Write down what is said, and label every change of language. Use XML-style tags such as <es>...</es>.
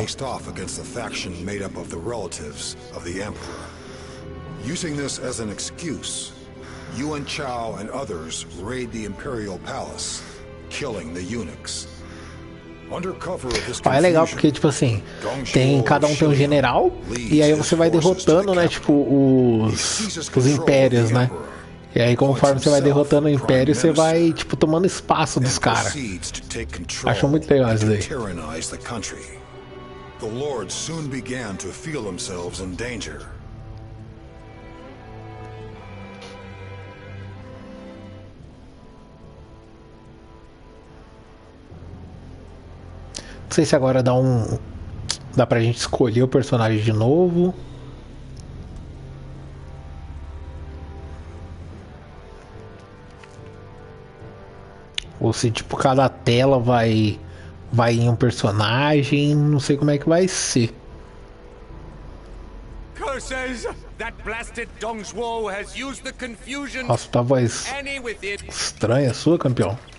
<en>Faced off against a faction made up of the relatives of the Emperor, using this as an excuse. Yuan Chao and others raid the Imperial Palace, killing the eunuchs. Under cover of this confusion,</en> <pt>é legal porque tipo assim, tem cada um tem um general e aí você vai derrotando, né, tipo os impérios, né? E aí conforme você vai derrotando o império, você vai tipo tomando espaço dos caras. Acho muito legal isso aí.</pt> <en>Tyrannize the country. The lords soon began to feel themselves in danger.</en> <pt>Não sei se agora dá um. Dá pra gente escolher o personagem de novo. Ou se tipo cada tela vai em um personagem, não sei como é que vai ser.</pt> <en>Curses! That blasted Dongzhuo has used the confusion.</en> <pt>Nossa, tua voz estranha sua, campeão.</pt>